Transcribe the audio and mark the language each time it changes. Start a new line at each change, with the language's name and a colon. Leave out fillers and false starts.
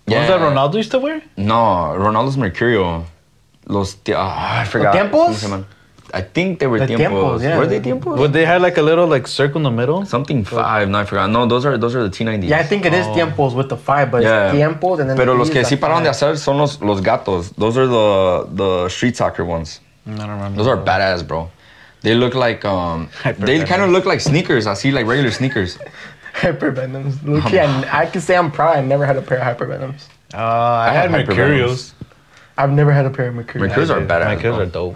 English: Yeah. Was that Ronaldo used to wear? No, Ronaldo's Mercurio. I forgot. The Tiempos? I think they were Tiempos. Yeah. Were they Tiempos? But they had like a little like circle in the middle. Something Five. No, I forgot. No, those are the T90s. Yeah, I think it is Tiempos with the Five, but it's Tiempos. And then.
Spanish: Pero los que sí pararon de hacer son los gatos.
English: Those are the street soccer ones. I don't remember. Those are badass, bro. They look like they kind of look like sneakers. I see like regular sneakers. Hypervenoms. Look, I can say I'm proud. I never had a pair of Hypervenoms. I had Mercurios. I've never had a pair of Mercurios. Mercurios are better. Mercurios are dope.